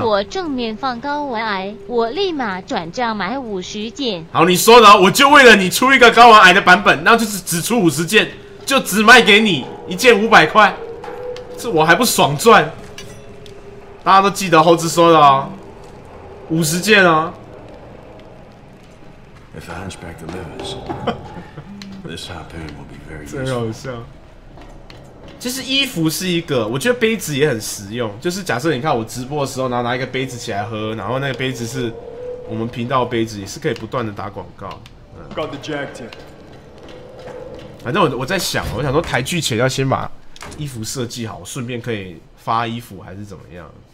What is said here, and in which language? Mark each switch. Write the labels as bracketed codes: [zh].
[zh] 如果正面放睾丸癌，我立马转账买五十件。好，你说的，我就为了你出一个睾丸癌的版本，那就是只出五十件，就只卖给你一件五百块，这我还不爽赚。大家都记得猴子说的啊，五十件啊。 [en] If the hunchback delivers, this harpoon will be very useful. [zh] 真好笑。其实衣服是一个，我觉得杯子也很实用。就是假设你看我直播的时候，然后拿一个杯子起来喝，然后那个杯子是我们频道的杯子，也是可以不断的打广告。 [en] Got the jacket. [zh] 反正我在想说台剧前要先把衣服设计好，顺便可以发衣服还是怎么样。